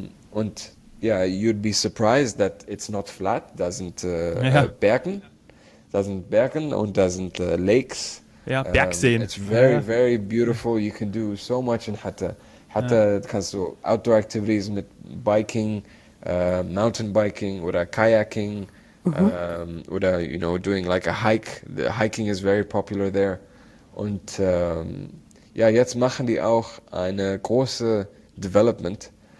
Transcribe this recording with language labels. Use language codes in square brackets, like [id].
[en] Und yeah, you'd be surprised that it's not flat. [de] Da sind Bergen. Da sind Bergen und da sind Lakes. Ja, Bergseen. [en] It's very, very beautiful. You can do so much in Hatta. [de] Hatta kannst du outdoor activities mit Biking, Mountainbiking oder Kayaking, oder, [en] you know, doing like a hike. The hiking is very popular there. [de] Und ja, jetzt machen die auch eine große Development.